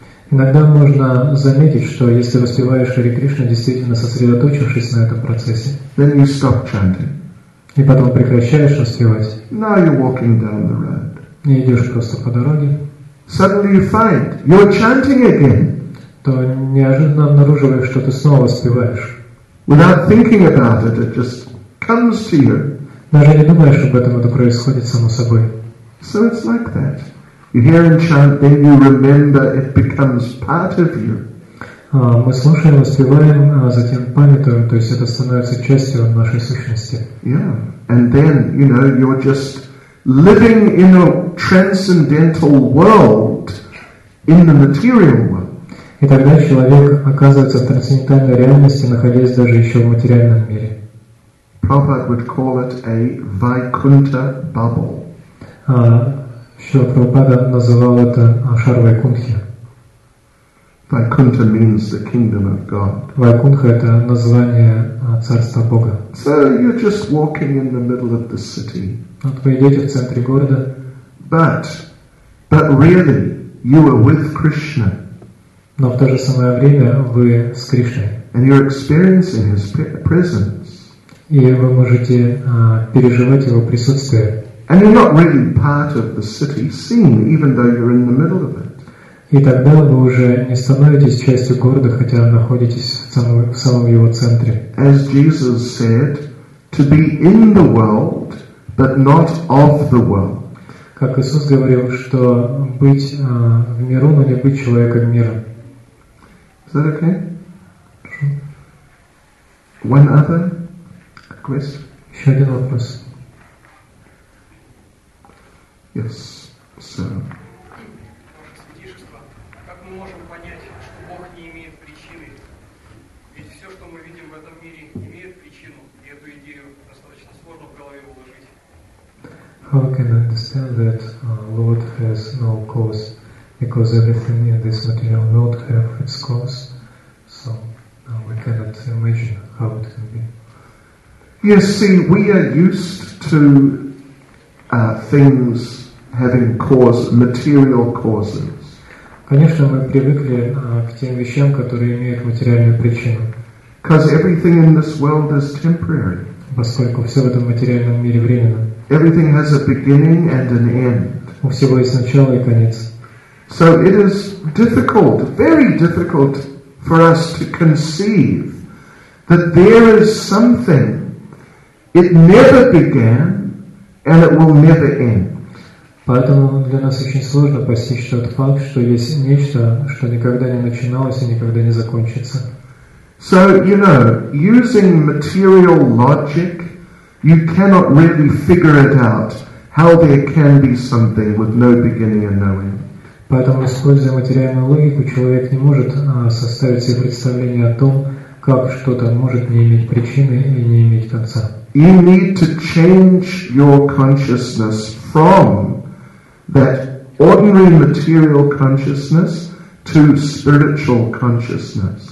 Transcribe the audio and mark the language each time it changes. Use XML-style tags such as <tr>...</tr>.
<ru>Иногда можно заметить, что если воспеваешь Хари Кришна, действительно сосредоточившись на этом процессе,</ru> <en>then you stop chanting.</en> <ru>И потом прекращаешь воспевать.</ru> <en>Now you're walking down the road.</en> <ru>И идешь просто по дороге.</ru> <en>Suddenly you find you're chanting again.</en> <ru>То неожиданно обнаруживаешь, что ты снова воспеваешь.</ru> <en>Without thinking about it, it just comes to you.</en> <ru>Даже не думаешь об этом, это происходит само собой.</ru> <en>So it's like that. You hear and chant, then you remember, it becomes part of you.</en> <ru>Мы слушаем, воспеваем, а затем памятуем, то есть это становится частью нашей сущности.</ru> <en>Yeah, and then, you're just living in a transcendental world, in the material world.</en> <ru>И тогда человек оказывается в трансцендентальной реальности, находясь даже еще в материальном мире.</ru> <en>Prabhupada would call it a Vaikuntha bubble.</en> <ru>Шрила Прабхупада называл это шар Вайкунтхи.</ru> <en>Vaikuntha means the kingdom of God.</en> <ru>Вайкунтха — это название царства Бога.</ru> <en>So you're just walking in the middle of the city.</en> <ru>Вот вы идете в центре города.</ru> <en>But really, you are with Krishna.</en> <ru>Но в то же самое время вы с Кришной.</ru> <en>And you're experiencing His presence.</en> <ru>И вы можете переживать Его присутствие.</ru> <en>And you're not really part of the city scene, even though you're in the middle of it.</en> <ru>И тогда вы уже не становитесь частью города, хотя находитесь в самом его центре.</ru> <en>As Jesus said, to be in the world, but not of the world.</en> <ru>Как Иисус говорил, что быть в миру, но не быть человеком мира.</ru> <en>Is that okay? One other question?</en> <ru>Еще один вопрос.</ru> <en>Yes, so.</en> <ru>Как мы можем понять, что Бог не имеет причины? Ведь все, что мы видим в этом мире, имеет причину, и эту идею достаточно сложно в голове уложить.</ru> <en>How can I understand that Lord has no cause? Because everything in this material world has its cause. So we cannot imagine how it can be. Yes, see, we are used to things having cause, material causes.</en> <ru>Конечно, мы привыкли к тем вещам, которые имеют материальную причину.</ru> <en>Because everything in this world is temporary.</en> <ru>Поскольку все в этом материальном мире временно.</ru> <en>Everything has a beginning and an end.</en> <ru>У всего есть начало и конец.</ru> <en>So it is difficult, very difficult for us to conceive that there is something, it never began and it will never end.</en> <ru>Поэтому для нас очень сложно постичь тот факт, что есть нечто, что никогда не начиналось и никогда не закончится.</ru> <en>So, you know, using material logic, you cannot really figure it out how there can be something with no beginning and no end.</en> <ru>Поэтому, используя материальную логику, человек не может составить себе представление о том, как что-то может не иметь причины и не иметь конца.</ru> <en>You need to change your consciousness from that ordinary material consciousness to spiritual consciousness.</en>